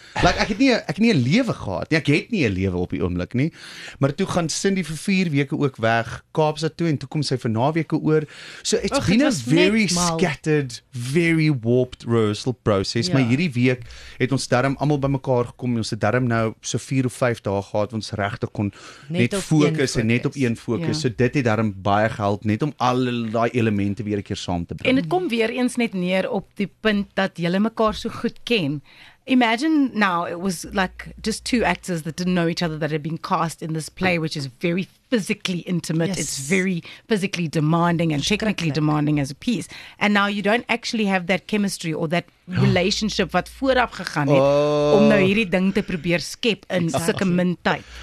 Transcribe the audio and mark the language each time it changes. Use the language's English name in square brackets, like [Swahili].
[Afrikaans] Like, ek het nie 'n lewe gehad. Ek het nie 'n lewe op die oomblik nie. Maar toe gaan Cindy vir 4 weke ook weg, Kaapstad toe, en toe kom sy vir naweke oor. [English] So it's been a very scattered, very warped rehearsal process. [Afrikaans] Maar hierdie week het ons daarom allemaal by mekaar gekom, en ons het daarom nou so 4 of 5 dae gehad, ons regtig kon net focus, en net op een focus, so dit het daarom baie gehelp, net om al die elemente weer een keer saam te bring. En het kom weer eens net neer op die punt, dat julle mekaar so goed ken. [English] Imagine now, it was like, just 2 actors that didn't know each other, that had been cast in this play, which is very physically intimate, yes. It's very physically demanding, and technically demanding as a piece, and now you don't actually have that chemistry, or that relationship [Afrikaans] wat voorop gegaan het, om nou hierdie ding te probeer skep in sulke min tyd.